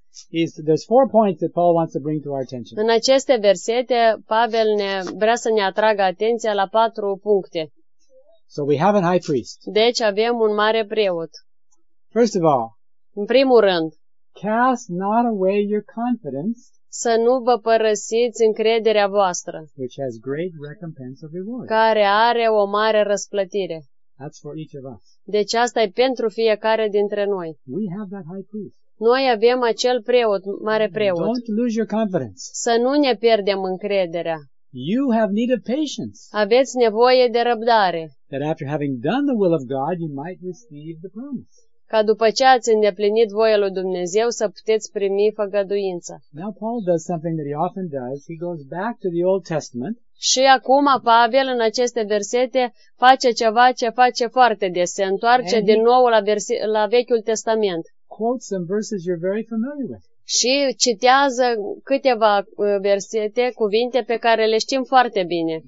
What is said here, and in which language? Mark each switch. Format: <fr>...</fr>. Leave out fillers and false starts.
<en>There's four points that Paul wants to bring to our attention.</en> <ro>În aceste versete, Pavel vrea să ne atragă atenția la patru puncte.</ro> <en>So we have a high priest.</en> <ro>Deci avem un mare preot.</ro> <en>First of all,</en> <ro>în primul rând,</ro> <en>cast not away your confidence,</en> <ro>să nu vă părăsiți încrederea voastră,</ro> <en>which has great recompense of reward,</en> <ro>care are o mare răsplătire.</ro> <en>That's for each of us.</en> <ro>Deci asta e pentru fiecare dintre noi.</ro> <en>We have that high priest.</en> <ro>Noi avem acel preot, mare preot.</ro> <en>Don't lose your confidence.</en> <ro>Să nu ne pierdem încrederea.</ro> <en>You have need of patience.</en> <ro>Aveți nevoie de răbdare.</ro> <en>That after having done the will of God, you might receive the promise.</en> <ro>ca după ce ați îndeplinit voia lui Dumnezeu să puteți primi făgăduința.</ro> <en>Now Paul does something that he often does. He goes back to the Old Testament.</en> <ro>Și acum Pavel în aceste versete face ceva ce face foarte des. Se întoarce din nou la Vechiul Testament.</ro> <en>Quotes some verses you're very familiar with.</en> <ro>Și citează câteva versete, cuvinte pe care le știm foarte bine.</ro>